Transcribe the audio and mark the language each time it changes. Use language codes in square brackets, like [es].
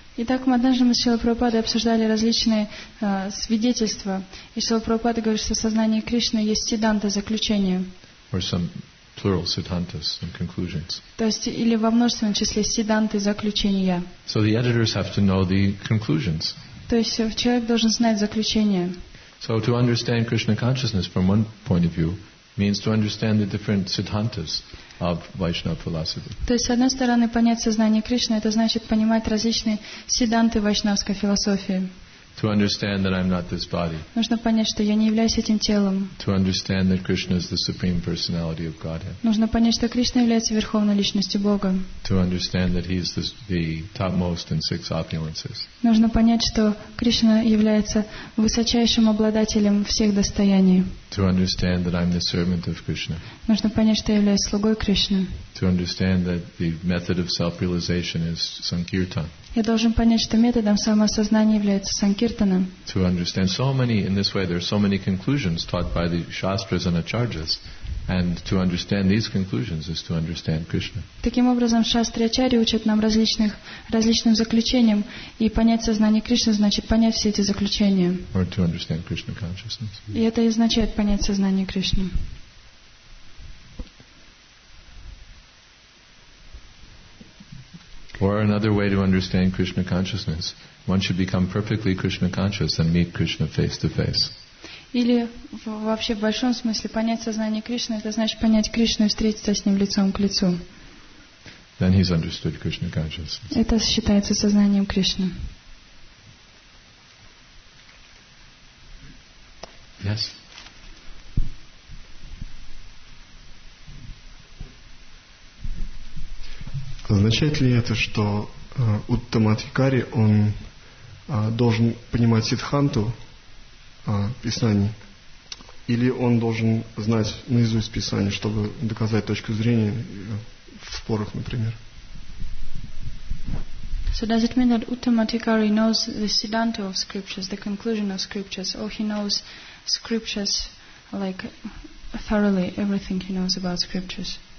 [ru] Итак, мы однажды с Шрилой Прабхупадой обсуждали различные свидетельства. И Шрила Прабхупада говорит, что в сознании Кришны есть сиддханта, заключение. [en] Or some plural siddhantas and conclusions. [ru] То есть, или во множественном числе сиддханты, заключения. [en] So the editors have to know the conclusions. [ru] То есть, человек должен знать заключение. [en] So to understand Krishna consciousness from one point of view means to understand the different siddhantas of Vaishnava philosophy. [ru] То есть, с одной стороны, понять сознание Кришны, это значит понимать различные сиддханты вайшнавской философии. [en] To understand that I'm not this body. [ru] Нужно понять, что я не являюсь этим телом. [en] To understand that Krishna is the supreme personality of Godhead. [ru] Нужно понять, что Кришна является верховной личностью Бога. [en] To understand that he is the topmost in six opulences. [ru] Нужно понять, что Кришна является высочайшим обладателем всех достояний. [en] To understand that I'm the servant of Krishna. [ru] Нужно понять, что я являюсь слугой Кришны. [en] To understand that the method of self-realization is sankirtan. [ru] Я должен понять, что методом самоосознания является санкиртана. [en] To understand so many in this way, there are so many conclusions taught by the shastras and acharyas, and to understand these conclusions is to understand Krishna. [ru] Таким образом, шастры и ачарьи учат нам различным заключениям, и понять сознание Кришны значит понять все эти заключения. [en] Or to understand Krishna consciousness. [ru] И это и означает понять сознание Кришны. [en] Or another way to understand Krishna consciousness, one should become perfectly Krishna conscious and meet Krishna face to face. [ru] Или вообще в большом смысле понять сознание Кришны, это значит понять Кришну и встретиться с ним лицом к лицу. [en] Then he's understood Krishna consciousness. [ru] Это считается сознанием Кришны. [en] Yes. [ru] Означает ли это, что Уттамадхикари, он должен понимать сиддханту Писаний, или он должен знать наизусть Писание, чтобы доказать точку зрения в спорах, например? [en] So does it mean that Uttamadhikari knows the Siddhanta of scriptures, the conclusion of scriptures, or he knows scriptures like thoroughly, everything he knows about scriptures?